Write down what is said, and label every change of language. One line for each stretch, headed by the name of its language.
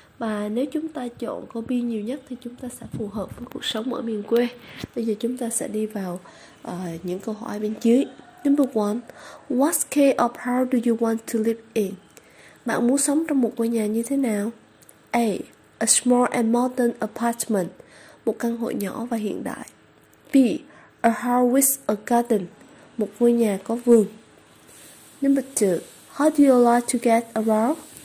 Vietnamese: Và nếu chúng ta chọn câu B nhiều nhất thì chúng ta sẽ phù hợp với cuộc sống ở miền quê. Bây giờ chúng ta sẽ đi vào những câu hỏi bên dưới.
English: Number 1. What kind of house do you want to live in?
Vietnamese: Bạn muốn sống trong một ngôi nhà như thế nào?
English: A. A small and modern apartment.
Vietnamese: Một căn hộ nhỏ và hiện đại.
English: B. A house with a garden.
Vietnamese: Một ngôi nhà có vườn.
English: Number 2. How do you like to get around?